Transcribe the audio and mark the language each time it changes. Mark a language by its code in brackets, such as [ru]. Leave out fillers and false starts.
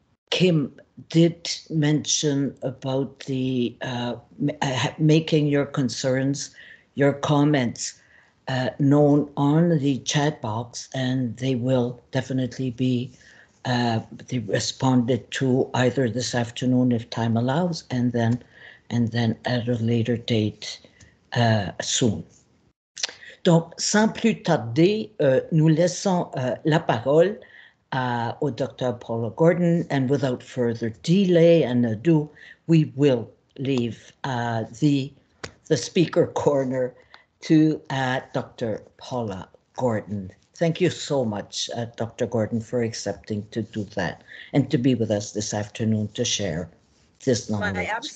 [en] Kim did mention about the making your concerns, your comments, known on the chat box, and they will definitely be responded to either this afternoon if time allows, and then at a later date soon. [fr] Donc, sans plus tarder, nous laissons la parole au Dr. [en] Paula Gordon, and without further delay and ado, we will leave the speaker corner to Dr. Paula Gordon. Thank you so much, Dr. Gordon, for accepting to do that and to be with us this afternoon to share this knowledge.